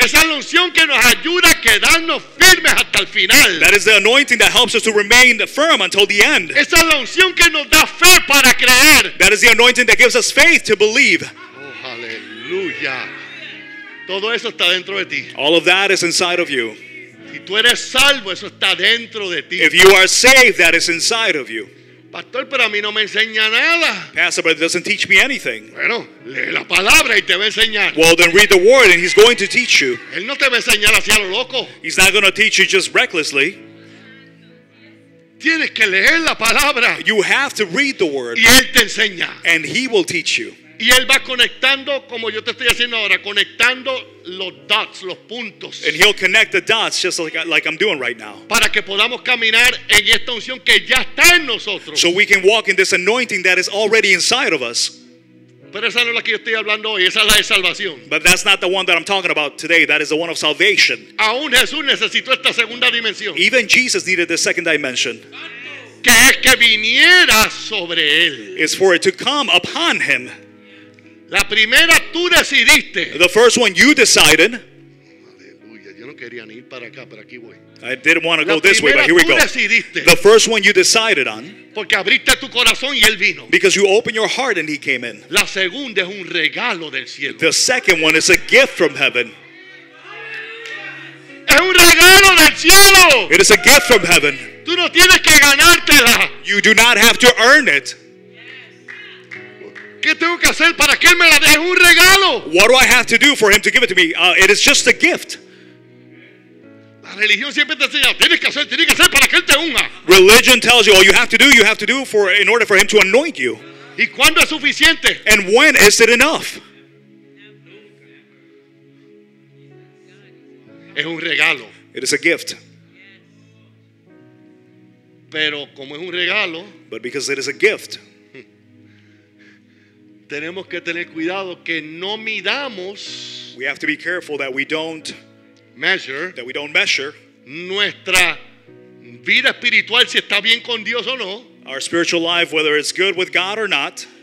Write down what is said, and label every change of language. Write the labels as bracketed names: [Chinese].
[Spanish] Esa es la unción que nos ayuda a quedarnos firmes hasta el final. [English] That is the anointing that helps us to remain firm until the end. [Spanish] Esa es la unción que nos da fe para creer. [English] That is the anointing that gives us faith to believe. [Spanish] Oh, hallelujah. Todo eso está dentro de ti. [English] All of that is inside of you. [Spanish] Si tú eres salvo, eso está dentro de ti. [English] If you are saved, that is inside of you. [Spanish] Pastor, pero a mí no me enseña nada. [English] Pastor, but it doesn't teach me anything. [Spanish] Bueno, lee la palabra y te va a enseñar. [English] Well, then read the word and he's going to teach you. [Spanish] Él no te va a enseñar hacia lo loco. [English] He's not going to teach you just recklessly. [Spanish] Tienes que leer la palabra. [English] You have to read the word. [Spanish] Y él te enseña. [English] And he will teach you. [Spanish] Y él va conectando como yo te estoy haciendo ahora, conectando los dots, los puntos. [English] And he'll connect the dots just like I'm doing right now. [Spanish] Para que podamos caminar en esta unción que ya está en nosotros. [English] So we can walk in this anointing that is already inside of us. [Spanish] Pero esa no es la que yo estoy hablando hoy, esa es la de salvación. [English] But that's not the one that I'm talking about today, that is the one of salvation. [Spanish] Aún Jesús necesitó esta segunda dimensión. [English] Even Jesus needed the second dimension. [Spanish] Que es que viniera sobre él. [English] Is for it to come upon him. [Spanish] La primera tú decidiste. [English] The first one you decided. [Spanish] Aleluya, yo no quería ni ir para acá, pero aquí voy. [English] I didn't want to go this way, but here we go. [Spanish] Decidiste. [English] The first one you decided on. [Spanish] Porque abriste tu corazón y él vino. [English] Because you opened your heart and he came in. [Spanish] La segunda es un regalo del cielo. [English] The second one is a gift from heaven. [Spanish] Es un regalo del cielo. [English] It is a gift from heaven. [Spanish] Tú no tienes que ganártela. [English] You do not have to earn it. [Spanish] ¿Qué tengo que hacer para que él me la dé? Es un regalo. [English] What do I have to do for him to give it to me? It is just a gift. [Spanish] La religión siempre te enseña, tienes que hacer para que él te unga. [English] Religion tells you all you have to do for in order for him to anoint you. [Spanish] ¿Y cuándo es suficiente? [English] And when is it enough? [Spanish] Es un regalo. [English] It is a gift. [Spanish] Pero como es un regalo, [English] but because it is a gift, [Spanish] tenemos que tener cuidado que no midamos. [English] We have to be careful that we don't measure. That we don't measure [Spanish] nuestra vida espiritual si está bien con Dios o no. [English] Our spiritual life, whether it's good with God or not.